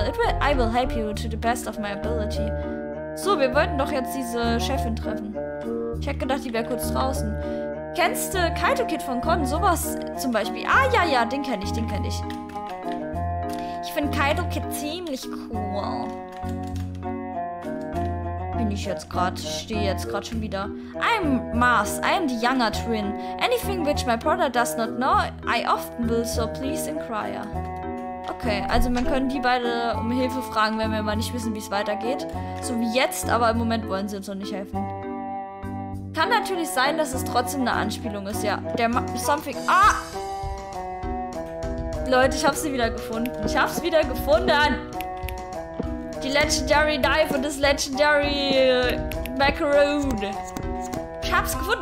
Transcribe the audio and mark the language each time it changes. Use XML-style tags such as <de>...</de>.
<en>I will help you to the best of my ability.</en> <de>So, wir wollten doch jetzt diese Chefin treffen. Ich hätte gedacht, die wäre kurz draußen. Kennst du Kaito Kid von Con? Sowas zum Beispiel. Ah, ja, ja, den kenne ich, den kenne ich. Ich finde Kaito Kid ziemlich cool. Ich stehe jetzt gerade schon wieder.</de> <en>I'm Mars, I'm the younger twin. Anything which my brother does not know, I often will, so please inquire.</en> <de>Okay, also man können die beide um Hilfe fragen, wenn wir mal nicht wissen, wie es weitergeht. So wie jetzt, aber im Moment wollen sie uns noch nicht helfen. Kann natürlich sein, dass es trotzdem eine Anspielung ist, ja. Der</de> <en>something.</en> <de>Ah! Leute, ich habe sie wieder gefunden. Ich habe es wieder gefunden! Die Legendary Knife und das Legendary Macaroon. Ich hab's gefunden.</de>